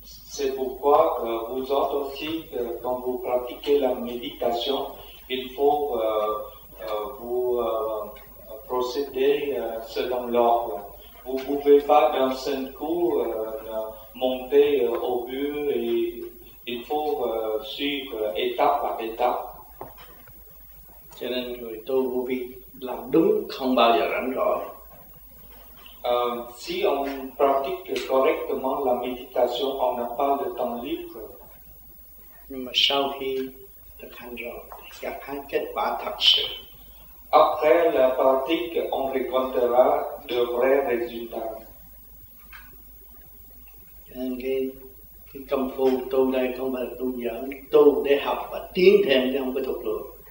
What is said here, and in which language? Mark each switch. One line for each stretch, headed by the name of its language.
French: C'est pourquoi vous autres aussi, quand vous pratiquez la méditation, il faut vous procéder selon l'ordre. Vous pouvez pas d'un seul coup monter au but et il faut suivre étape par étape.
Vietnamese: Cho nên người tu vô vi làm đúng không bao giờ rảnh rỗi.
French: Si on pratique correctement la méditation, on n'a pas de temps libre.
Vietnamese: Nhưng mà sau khi thực hành rồi, thì gặp hai kết quả thật sự.
French: Après la pratique, on rencontrera de vrais résultats.
Vietnamese: Cái công phu tu đây không phải là tu giỡn, tu để học và tiến thêm chứ không có thuộc lượng.